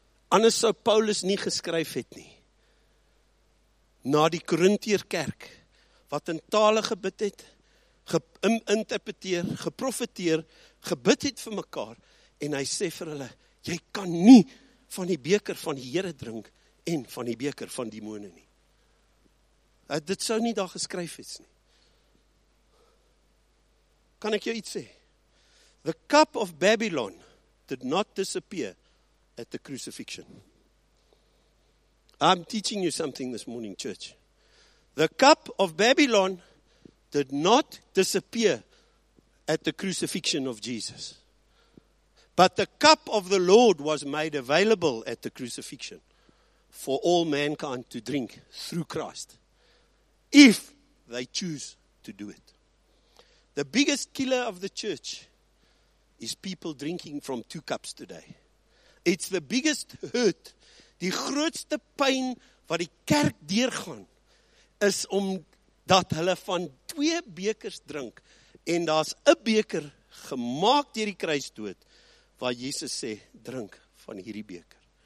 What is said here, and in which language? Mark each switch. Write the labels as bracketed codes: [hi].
[af] Anders sou Paulus nie geskryf het nie. Na die Korintiër kerk, wat in tale gebid het, geïnterpreteer, geprofeteer, gebid het vir mekaar, en hy sê vir hulle, jy kan nie van die beker van die Here drink, en van die beker van demone nie. Dit sou nie daar geskryf is nie. Kan ek jou iets sê? [en] The cup of Babylon did not disappear at the crucifixion. I'm teaching you something this morning, church. The cup of Babylon did not disappear at the crucifixion of Jesus. But the cup of the Lord was made available at the crucifixion for all mankind to drink through Christ, if they choose to do it. The biggest killer of the church is people drinking from two cups today. It's the biggest hurt. [af] Die grootste pyn wat die kerk deurgaan is om dat hulle van twee bekers drink en daar's 'n beker gemaak deur die kruisdood waar Jesus sê, drink van hierdie beker.